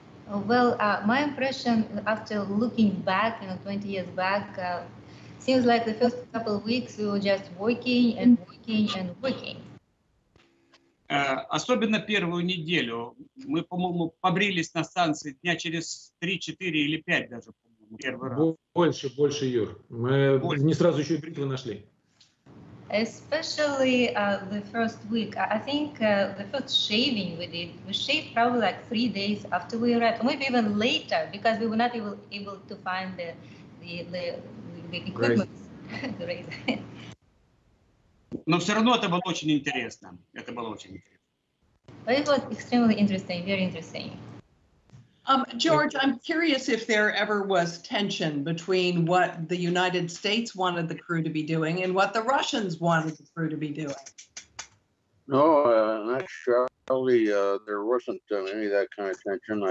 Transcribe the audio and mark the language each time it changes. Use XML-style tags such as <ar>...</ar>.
<en>Well, my impression after looking back, you know, 20 years back, seems like the first couple of weeks we were just working.</en> <ru>Особенно первую неделю мы, по-моему, побрились на станции дня через 3-4 или 5 даже, по-моему, первый раз. Больше, Юр. Мы больше. Не сразу еще и бритву нашли.</ru> <en>Especially the first week. I think the first shaving we did, we shaved probably like 3 days after we arrived, or maybe even later, because we were not able to find the equipment. Right.</en> <ru>Но все равно это было очень интересно. Это было очень интересно.</ru> <en>It was extremely interesting, very interesting. George, I'm curious if there ever was tension between what the United States wanted the crew to be doing and what the Russians wanted the crew to be doing. No, actually, there wasn't any of that kind of tension.</en>